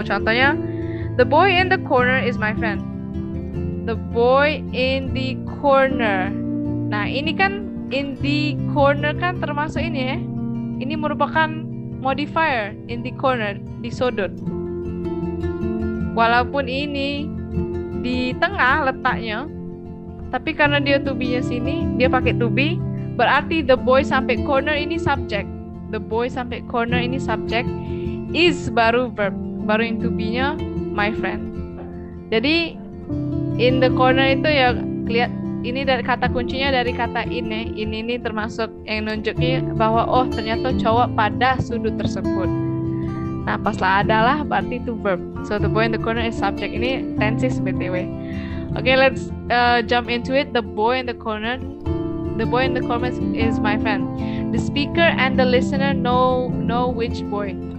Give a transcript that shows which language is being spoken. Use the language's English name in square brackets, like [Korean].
[Indonesian] Contohnya, [English] the boy in the corner is my friend. The boy in the corner. [Indonesian] Nah, ini kan [English] in the corner [Indonesian] kan termasuk ini ya. Ini merupakan modifier [English] in the corner, [Indonesian] di sudut. Walaupun ini di tengah letaknya, tapi karena dia to be-nya sini, dia pakai to be, berarti [English] the boy [Indonesian] sampai corner ini subject. [English] The boy [Indonesian] sampai corner ini subject. Is baru verb, baru yang to be-nya my friend. Jadi [English] in the corner [Indonesian] itu ya lihat ini dari kata kuncinya dari kata ini. Ini termasuk yang nunjuknya bahwa oh ternyata cowok pada sudut tersebut. Nah, pas lah adalah berarti itu verb. [English] So the boy in the corner is subject. [Indonesian] Ini tenses [English] BTW. Okay, let's jump into it. The boy in the corner is my friend. The speaker and the listener know which boy.